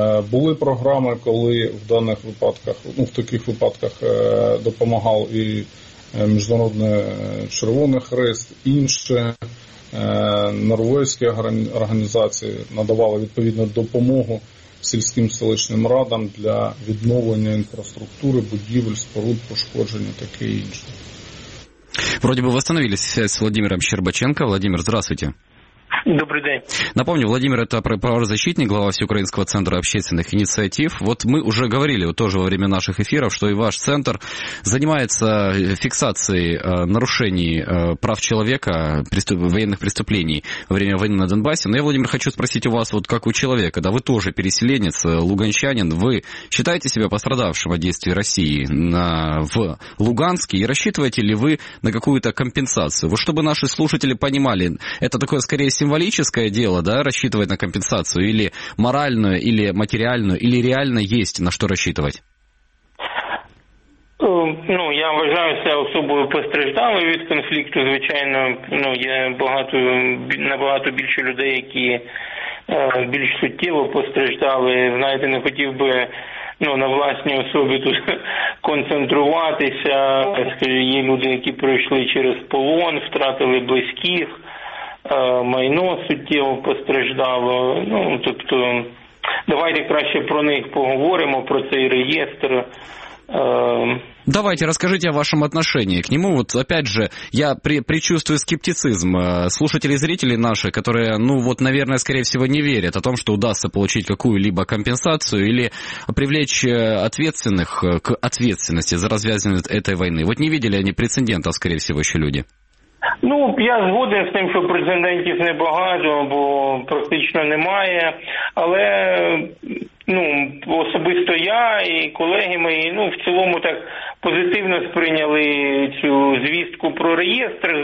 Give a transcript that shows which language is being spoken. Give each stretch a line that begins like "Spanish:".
Ukrainian: Були програми, коли в даних випадках, ну в таких випадках допомагав і Міжнародний Червоний Хрест, інші норвезькі організації надавали відповідну допомогу сільським селищним радам для відновлення інфраструктури, будівель, споруд, пошкодження, таке і інше. Вроді би встановилися зв'язок з Володимиром Щербаченко. Володимир, здравствуйте.
Russian: Добрый день. Напомню, Владимир, это правозащитник, глава Всеукраинского центра общественных инициатив. Вот мы уже говорили вот тоже во время наших эфиров, что и ваш центр занимается фиксацией нарушений прав человека, военных преступлений во время войны на Донбассе. Но я, Владимир, хочу спросить у вас, вот как у человека, да вы тоже переселенец, луганчанин, вы считаете себя пострадавшим от действий России в Луганске и рассчитываете ли вы на какую-то компенсацию? Вот чтобы наши слушатели понимали, это такое, скорее всего, символическое дело, да, рассчитывать на компенсацию или моральную, или материальную, или реально есть на что рассчитывать?
Ukrainian: Ну, я вважаю себя особою постраждалою від конфлікту, звичайно, ну, є багато, набагато більше людей, які більш суттєво постраждали, знаєте, не хотів би, ну, на власній особі тут концентруватися, скажімо, є люди, які пройшли через полон, втратили близьких, майно суттєво постраждало. Ну, тобто, давайте краще про них поговоримо, про цей реєстр.
Russian: Давайте, расскажите о вашем отношении к нему. Вот опять же, я предчувствую скептицизм слушателей и зрителей наших, которые, ну вот, наверное, скорее всего, не верят о том, что удастся получить какую-либо компенсацию или привлечь ответственных к ответственности за развязание этой войны. Вот не видели они прецедентов, скорее всего, еще люди.
Ukrainian: Ну, я згоден з тим, що прецедентів небагато, бо практично немає, але, ну, особисто я і колеги мої, ну, в цілому так позитивно сприйняли цю звістку про реєстр.